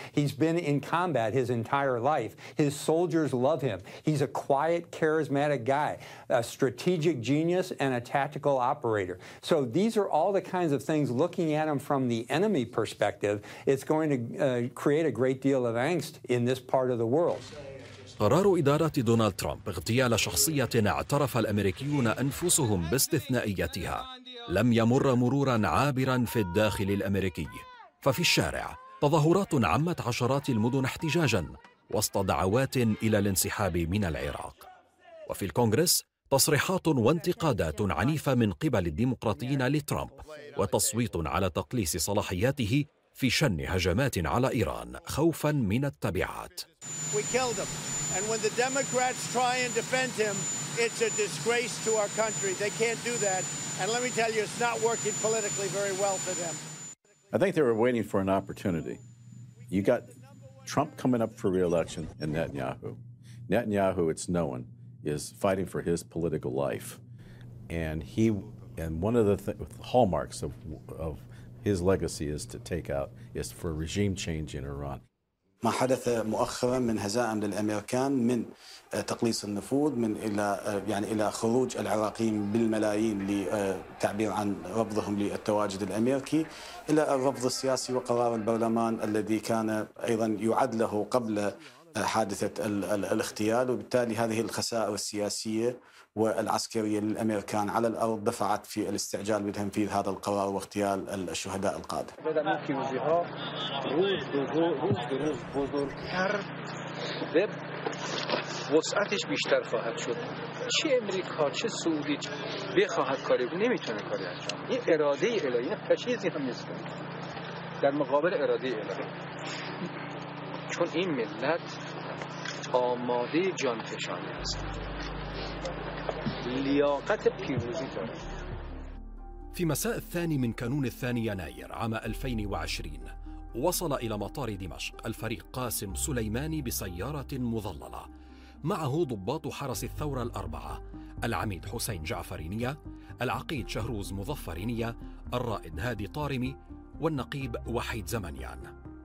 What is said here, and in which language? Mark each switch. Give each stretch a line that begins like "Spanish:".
English: He's been in combat his entire life. His soldiers love him. He's a quiet, charismatic guy, a strategic genius and a tactical operator. So these are all the kinds of things, looking at him from the enemy perspective, it's going to create a great deal of angst in this part of the world.
Arabic: قرار إدارة دونالد ترامب اغتيال شخصية اعترف الأمريكيون أنفسهم باستثنائيتها لم يمر مروراً عابراً في الداخل الأمريكي، ففي الشارع تظاهرات عمت عشرات المدن احتجاجاً وسط دعوات إلى الانسحاب من العراق، وفي الكونغرس تصريحات وانتقادات عنيفة من قبل الديمقراطيين لترامب وتصويت على تقليص صلاحياته في شن هجمات على إيران خوفاً من التبعات.
English: And when the Democrats try and defend him, it's a disgrace to our country. They can't do that. And let me tell you, it's not working politically very well for them. I think they were waiting for an opportunity. You got Trump coming up for re-election and Netanyahu. Netanyahu, it's known, is fighting for his political life. And one of the hallmarks of his legacy is to take out, is for regime change in Iran.
Arabic: ما حدث مؤخرا من هزائم للأمريكان من تقليص النفوذ من إلى يعني إلى خروج العراقيين بالملايين لتعبير عن رفضهم للتواجد الأمريكي إلى الرفض السياسي وقرار البرلمان الذي كان أيضا يعد له قبل حادثة الاغتيال وبالتالي هذه الخسائر السياسية والعسكرية للأمريكان على الأرض دفعت في الاستعجال بتنفيذ هذا القرار واغتيال الشهداء القادة.
Persian: وسعتش بیشتر خواهد شد چه امریکا چه سعودی چه بخواهد کاری بود نمیتونه کاری انجام این اراده الهی این فشیزی هم نیست در مقابل اراده الهی چون این ملت آماده جان فشانی است لیاقت پیروزی داره.
Arabic: في مساء الثاني من كانون الثاني يناير عام 2020 وصل إلى مطار دمشق الفريق قاسم سليماني بسيارة مظللة، معه ضباط حرس الثورة الأربعة: العميد حسين جعفرينية، العقيد شهروز مظفرينية، الرائد هادي طارمي، والنقيب وحيد زمنيان.